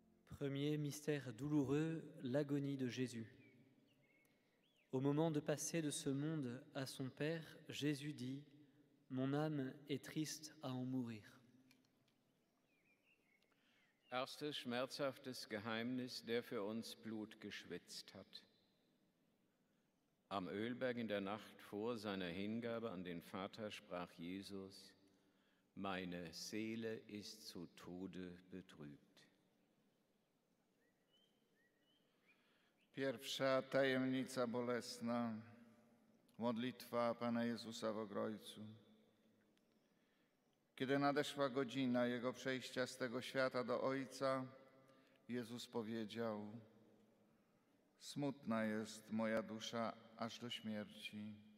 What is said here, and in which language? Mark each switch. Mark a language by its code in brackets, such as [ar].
[fr] Premier mystère douloureux, l'agonie de Jésus. Au moment de passer de ce monde à son Père, Jésus dit « Mon âme est triste à en mourir ». [de] Erstes schmerzhaftes Geheimnis, der für uns Blut geschwitzt hat. Am Ölberg in der Nacht vor seiner Hingabe an den Vater sprach Jesus: Meine Seele ist zu Tode betrübt. [pl] Pierwsza tajemnica bolesna, modlitwa Pana Jezusa w Ogrodzu. Kiedy nadeszła godzina Jego przejścia z tego świata do Ojca, Jezus powiedział: Smutna jest moja dusza aż do śmierci.